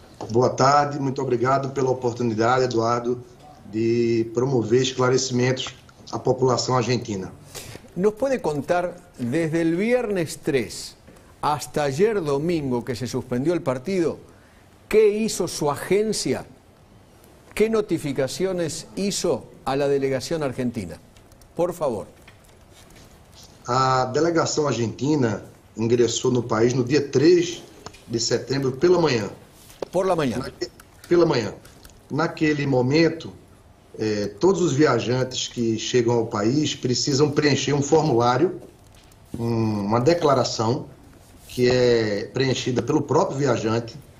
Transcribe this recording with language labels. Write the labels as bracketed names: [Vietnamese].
[Portuguese] Boa tarde, muito obrigado pela oportunidade, Eduardo, de promover esclarecimentos à população argentina. [Spanish] ¿Nos puede contar desde el viernes 3 hasta ayer domingo que se suspendió el partido, qué hizo su agencia, qué notificaciones hizo a la delegación argentina? Por favor. [Portuguese] A delegação argentina ingressou no país no dia 3 de setembro pela manhã. [Spanish] Por la mañana. [Portuguese] Pela manhã. Naquele momento, todos os viajantes que chegam ao país precisam preencher um formulário, uma declaração, que é preenchida pelo próprio viajante.